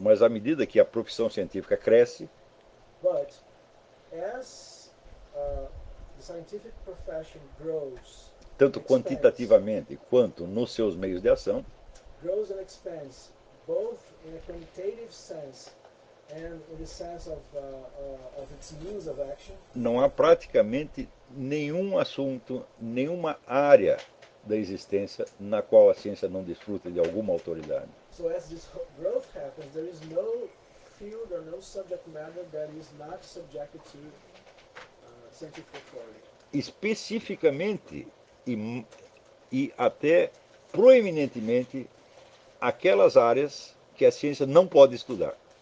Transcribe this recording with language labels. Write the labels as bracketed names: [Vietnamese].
[Portuguese] Mas à medida que a profissão científica cresce. [English] But as the scientific profession grows, [Portuguese] tanto quantitativamente quanto nos seus meios de ação, [English] grows and expands both in a quantitative sense and in the sense of its means of action, [Portuguese] não há praticamente nenhum assunto, nenhuma área da existência na qual a ciência não desfruta de alguma autoridade. [English] So as this growth happens, there is no field or no subject matter that is not subjected to scientific authority. [Portuguese] Especificamente e até proeminentemente aquelas áreas que a ciência não pode estudar.